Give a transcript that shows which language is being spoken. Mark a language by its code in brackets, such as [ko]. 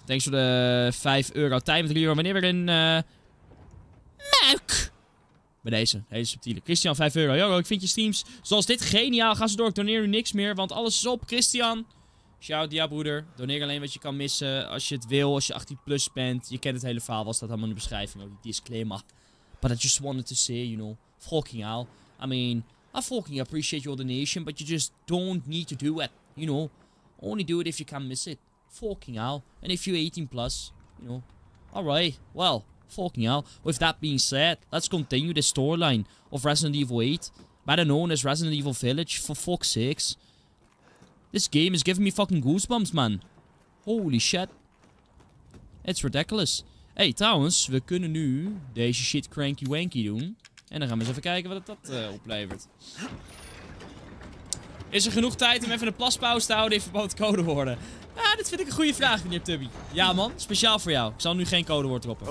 [nl] Thanks voor de 5 euro. Tijd met 3 euro. Wanneer we in... Muik! Bij deze, hele subtiele. Christian, 5 euro. Yo, ik vind je streams zoals dit geniaal. Ga ze door, ik doneer nu niks meer, want alles is op. Christian... Shout out, broeder. Doneer alleen wat je kan missen. Als je het wil, als je 18 plus bent. Je kent het hele verhaal, was dat allemaal in de beschrijving. Die disclaimer. [en] But I just wanted to say, you know. Fucking hell. I mean, I fucking appreciate your donation. But you just don't need to do it. You know. Only do it if you can miss it. Fucking hell. And if you're 18 plus, you know. Alright. Well, fucking hell. With that being said, let's continue the storyline of Resident Evil 8. Better known as Resident Evil Village, for fuck's sakes. This game is giving me fucking goosebumps, man. Holy shit. It's ridiculous. [nl] Hey, trouwens, we kunnen nu deze shit cranky wanky doen. En dan gaan we eens even kijken wat dat oplevert. Is er genoeg tijd om even een plaspauze te houden in verband met codewoorden? Ah, dit vind ik een goede vraag, meneer Tubby. Ja, man, speciaal voor jou. Ik zal nu geen codewoord droppen.